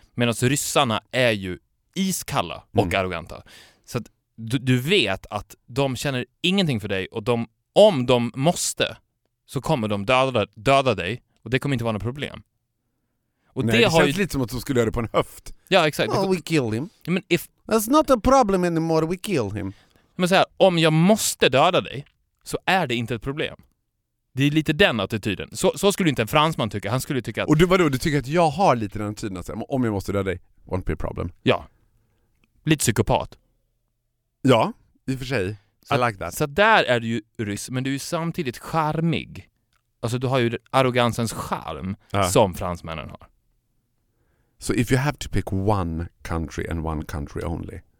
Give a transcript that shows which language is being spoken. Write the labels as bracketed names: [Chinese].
[Swedish] Medan ryssarna är ju iskalla och arroganta. Så att du vet att de känner ingenting för dig, och om de måste så kommer de döda dig, och det kommer inte vara något problem. Och det har känns ju... lite som att de skulle göra det på en höft. Ja, exakt. [English] Oh, we kill him. [Swedish] Ja, men if... [English] That's not a problem anymore, we kill him. [Swedish] Men så här, om jag måste döda dig så är det inte ett problem. Det är lite den attityden. Så skulle inte en fransman tycka. Han skulle tycka att... Och du tycker att jag har lite den attityden. Alltså, om jag måste döda dig, [English] won't be a problem. [Swedish] Ja. Lite psykopat. Ja, i och för sig. [English] I like that. [Swedish] Så där är du ju ryss, men du är ju samtidigt charmig. Alltså du har ju arrogansens charm som fransmännen har. [English] So if you have to pick one country and one country only.